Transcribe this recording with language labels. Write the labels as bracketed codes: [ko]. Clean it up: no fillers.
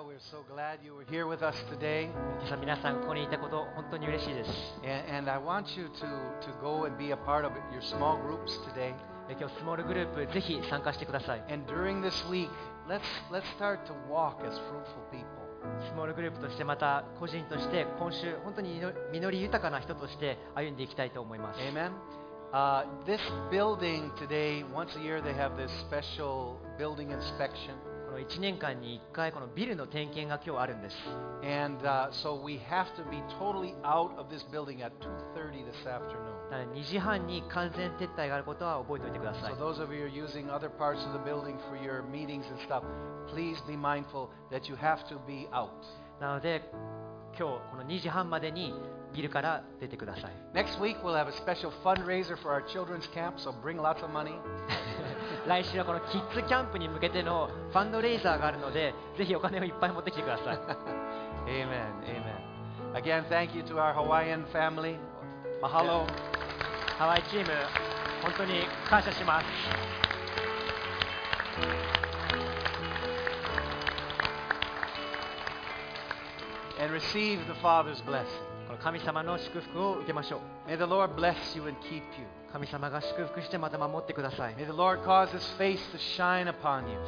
[en] So glad you were here with us today. [ja] 今朝皆さんここにいたこと本当に嬉しいです。 [en] And I want you to go and be a part of your small groups today. [ja] 今日スモールグループぜひ参加してください。 [en] And during this week, let's start to walk as fruitful people. [ja] スモールグループとしてまた個人として今週本当に実り豊かな人として歩んでいきたいと思います。 [en] Amen. This building today, once a year they have this special building inspection. [ja] 1年間に1回このビルの点検が今日あるんです。 [en] And so we have to be totally out of this building at 2:30 this afternoon. [ja] 2時半に完全撤退があることは覚えておいてください。 [en] So those of you who are using other parts of the building for your meetings and stuff, please be mindful that you have to be out. [ja] なので今日この2時半までにビルから出てください。 [en] Next week we'll have a special fundraiser for our children's camp, so bring lots of money. [ja] 来週はこのキッズキャンプに向けてのファンドレイザーがあるのでぜひお金をいっぱい持ってきてください。 [en] Amen, amen. Again, thank you to our Hawaiian family. Mahalo. [ja] ハワイチーム、本当に感謝します。 [en] and receive the Father's blessing. [ja] この神様の祝福を受けましょう。 [en] May the Lord bless you and keep you. [ja] 神様が祝福してまた守ってください。 [en] May the Lord cause His face to shine upon you.